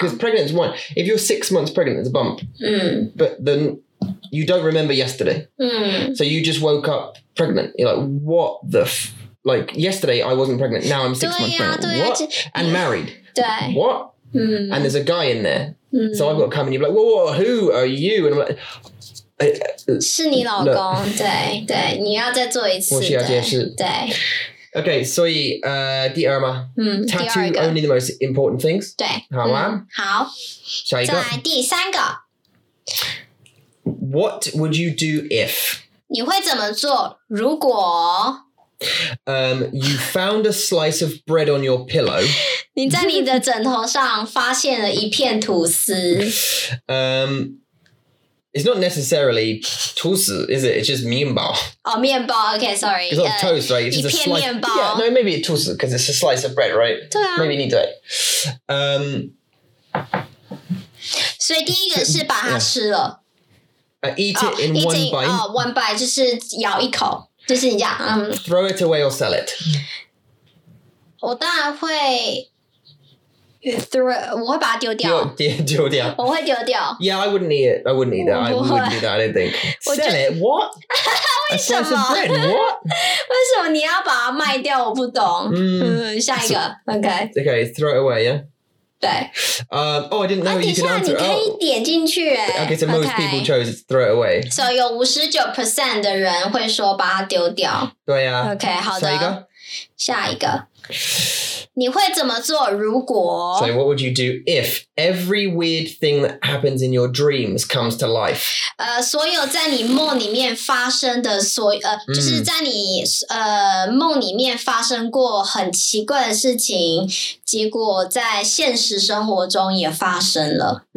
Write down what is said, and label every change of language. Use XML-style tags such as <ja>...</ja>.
<en>Because pregnant is one. If you're 6 months pregnant, it's a bump. But then you don't remember yesterday. So you just woke up pregnant. You're like, what the f-? Like yesterday, I wasn't pregnant. Now I'm 6 months pregnant. What? And married. Day. What? And there's a guy in there. So I've got to come and you're like, whoa, who are you? And I'm like,</en> <zh>是你老公，对，你要再做一次。我需要解释。对。</zh> <en>Okay,</en> <zh>所以第二嘛，</zh> <en>tattoo only the most important things.</en> <zh>对。好吗？好。下一个。再来第三个。</zh> <en>What would you do if?</en> <zh>你会怎么做？如果</zh> <en>You found a slice of bread on your pillow.</en> <zh>你在你的枕头上发现了一片吐司。</zh> <en>It's not necessarily 吐司, is it? It's just 面包. Oh, 面包, okay, sorry. It's not toast, right? It's just a slice.</en> <zh>一片面包.</zh> <en>Yeah, no, maybe 吐司, because it's a slice of bread, right?</en> <zh>对啊。</zh> <en>Maybe</en> <zh>你对。所以第一个是把它吃了。</zh> <en>Eat it in one bite.</en> <zh>Oh,</zh> <en>one bite,</en> <zh>就是咬一口。就是你讲，</zh> <en>Throw it away or sell it.</en> <zh>我当然会</zh> <en>throw，</en> <zh>我会把它丢掉。丢掉。我会丢掉。</zh> <en>Yeah, I wouldn't eat it. I wouldn't eat that. I wouldn't do that. I don't think. Sell it? What?</en> <zh>为什么</zh> <en>？A slice of bread? What?</en> <zh>为什么你要把它卖掉？我不懂。下一个 ，OK。</zh> <en>Okay, throw it away. Yeah.</en> <zh>对。</zh> <en>Oh, I didn't know you could answer.</en> <zh>你可以点进去耶。</zh> <en>Okay, so most people chose throw it away.</en> <zh>So 有 59% 的人会说把它丢掉。对啊。 Okay, 好的。下一个。你会怎么做如果</zh> <en>？So what would you do if every weird thing that happens in your dreams comes to life?</en> <zh>所有在你梦里面发生的所就是在你梦里面发生过很奇怪的事情，结果在现实生活中也发生了。</zh>